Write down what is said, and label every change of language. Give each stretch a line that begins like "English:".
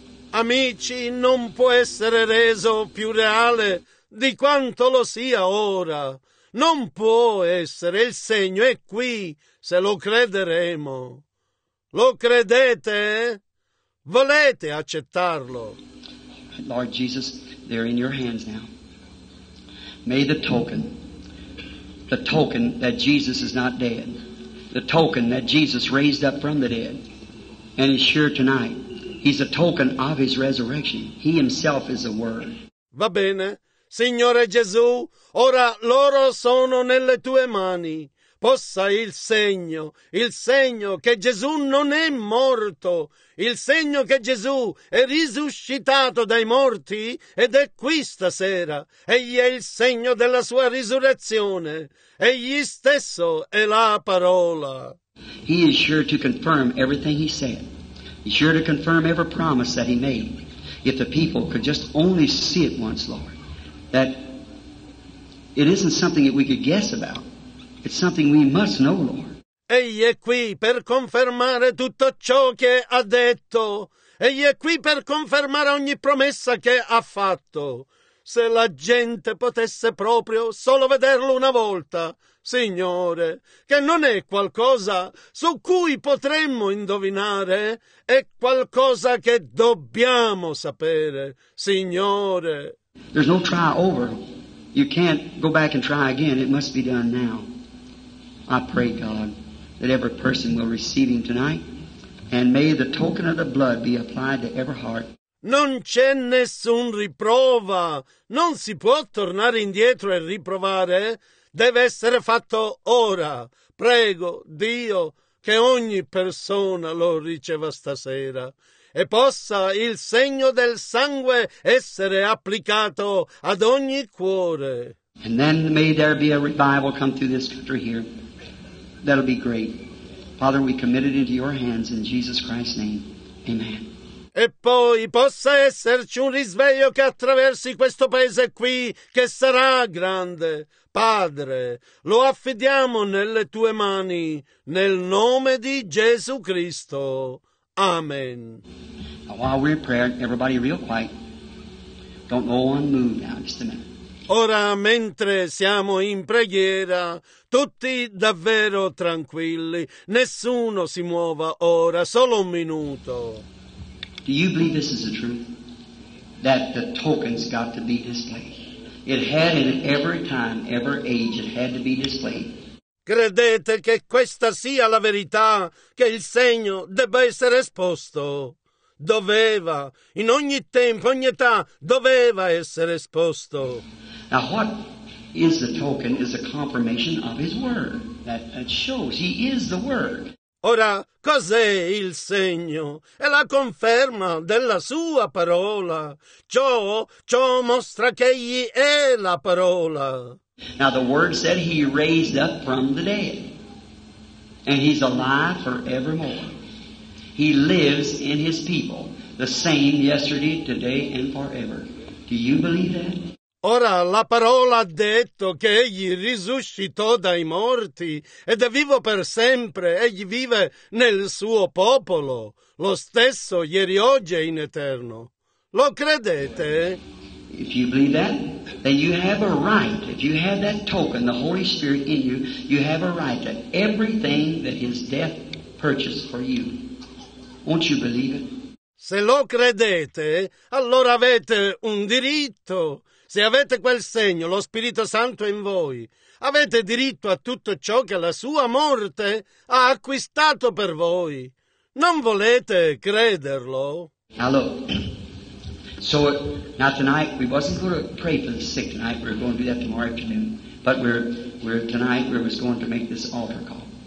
Italian: Amici, non può essere reso più reale di quanto lo sia ora. Non può essere. Il segno è qui, se lo crederemo. Lo credete? Volete accettarlo?
English: Lord Jesus, they're in your hands now. May the token that Jesus is not dead, the token that Jesus raised up from the dead, and is here tonight. He's a token of his resurrection. He himself is the Word.
Italian: Va bene, Signore Gesù, ora loro sono nelle tue mani. Possa il segno che Gesù non è morto, il segno che Gesù è risuscitato dai morti ed è qui stasera. Egli è il segno della sua risurrezione. Egli stesso è la parola.
English: He is sure to confirm everything he said. He's sure to confirm every promise that he made. If the people could just only see it once, Lord, that it isn't something that we could guess about. It's something we must know, Lord.
Italian: Egli è qui per confermare tutto ciò che ha detto. Egli è qui per confermare ogni promessa che ha fatto. Se la gente potesse proprio solo vederlo una volta, Signore, che non è qualcosa su cui potremmo indovinare, è qualcosa che dobbiamo sapere, Signore.
English: There's no try over. You can't go back and try again. It must be done now. I pray, God, that every person will receive him tonight, and may the token of the blood be applied to every heart.
Italian: Non c'è nessun riprova. Non si può tornare indietro e riprovare. Deve essere fatto ora. Prego, Dio, che ogni persona lo riceva stasera. E possa il segno del sangue essere applicato ad ogni cuore.
English: And then may there be a revival come through this country here. That'll be great. Father, we commit it into your hands in Jesus Christ's name. Amen.
Italian: E poi possa esserci un risveglio che attraversi questo paese qui, che sarà grande. Padre, lo affidiamo nelle tue mani, nel nome di Gesù Cristo. Amen.
English: While we're in prayer, everybody real quiet. Don't go on move now, just a minute.
Italian: Ora, mentre siamo in preghiera, tutti davvero tranquilli. Nessuno si muova ora, solo un minuto.
English: Do you believe this is the truth? That the token's got to be displayed. It had in every time, every age, it had to be displayed.
Italian: Credete che questa sia la verità, che il segno debba essere esposto? Doveva, in ogni tempo, ogni età, doveva essere esposto.
English: Now what is the token is a confirmation of his word. That shows he is the word.
Italian: Ora, cos'è il segno? È la conferma della sua parola. Ciò mostra che egli è la parola.
English: Now the word said he raised up from the dead. And he's alive forevermore. He lives in his people. The same yesterday, today and forever. Do you believe that?
Italian: Ora la parola ha detto che egli risuscitò dai morti ed è vivo per sempre, egli vive nel suo popolo, lo stesso ieri, oggi e in eterno. Lo credete?
English: If you believe that, then you have a right, if you have that token, the Holy Spirit in you, you have a right to everything that his death purchased for you. Won't you believe it?
Italian: Se lo credete, allora avete un diritto. Se avete quel segno, lo Spirito Santo è in voi, avete diritto a tutto ciò che la sua morte ha acquistato per voi. Non volete crederlo?
English: Allora, so now tonight we wasn't going to pray for the sick tonight. We're going to do that tomorrow afternoon. But we're tonight we was going to make this altar call.